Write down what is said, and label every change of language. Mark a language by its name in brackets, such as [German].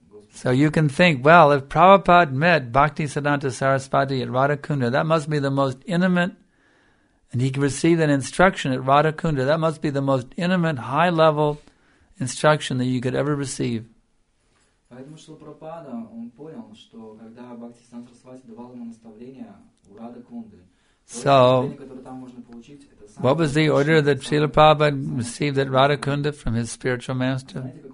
[English] So you can think, well, if Prabhupada met Bhakti Siddhanta Sarasvati at Radhakunda, that must be the most intimate, and he received an instruction at Radhakunda, that must be the most intimate, high-level instruction that you could ever receive. [Russian] Поэтому Шрила Прабхупада, он понял, что когда Бхакти Сиддханта Сарасвати давал ему наставление у Радхакунды, [English] So, what was the order that Srila Prabhupada received at Radhakunda from his spiritual master?